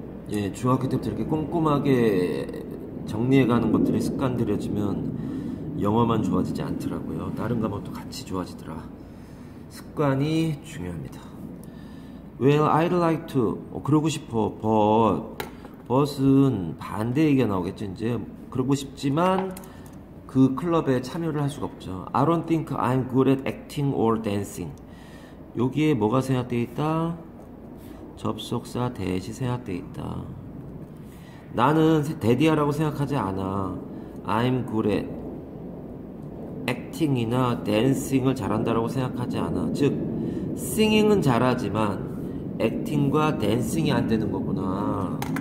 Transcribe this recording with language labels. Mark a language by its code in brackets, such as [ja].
[ko] 예, 중학교 때부터 이렇게 꼼꼼하게 정리해가는 것들이 습관들여지면 영어만 좋아지지 않더라고요. 다른 과목도 같이 좋아지더라. 습관이 중요합니다. Well, I'd like to. 그러고 싶어. But은 반대 얘기가 나오겠지. 이제 그러고 싶지만 그 클럽에 참여를 할 수가 없죠. [en] I don't think I'm good at acting or dancing. [ko] 여기에 뭐가 생략돼 있다? 접속사 대시 생략돼 있다. 나는 데디아라고 생각하지 않아. [en] I'm good at acting이나 dancing을 잘한다라고 생각하지 않아. [ko] 즉, singing은 잘하지만 액팅과 댄싱이 안 되는 거구나.